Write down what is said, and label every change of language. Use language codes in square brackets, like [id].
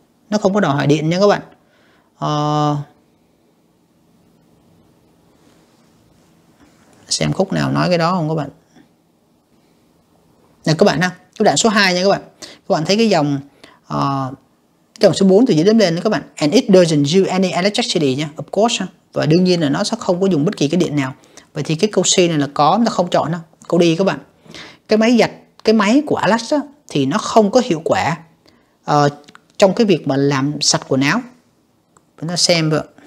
[vi] Nó không có đòi hỏi điện nha các bạn. Xem khúc nào nói cái đó không các bạn. Nè các bạn ha, cái đoạn số 2 nha các bạn. Các bạn thấy cái dòng số 4 từ dưới đến lên đó các bạn. [en] And it doesn't use any electricity nha, of course. [vi] Và đương nhiên là nó sẽ không có dùng bất kỳ cái điện nào. Vậy thì cái câu C này là có, nó không chọn đâu. Câu D các bạn, cái máy của Alex á, thì nó không có hiệu quả trong cái việc mà làm sạch quần áo. Chúng ta xem vợ.